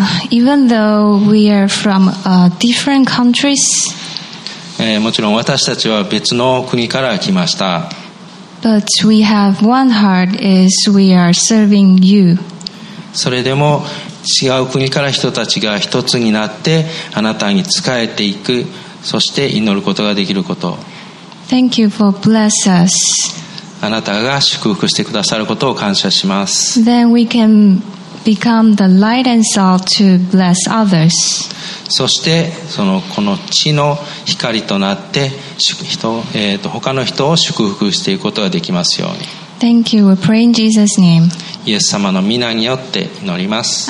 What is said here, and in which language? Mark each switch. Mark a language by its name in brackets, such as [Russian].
[English] Even though we are from different countries, [Japanese] もちろん私たちは別の国から来ました。 [English] But we have one heart as we are serving you. [Japanese] それでも違う国から人たちが一つになってあなたに仕えていく、そして祈ることができること。 [English] Thank you for bless us. [Japanese] あなたが祝福してくださることを感謝します。 [English] Then we can become the light and salt to bless others. [Japanese] そしてそのこの地の光となって他の人を祝福していくことができますように。 [English] Thank you. We pray in Jesus' name. [Japanese] イエス様の名によって祈ります。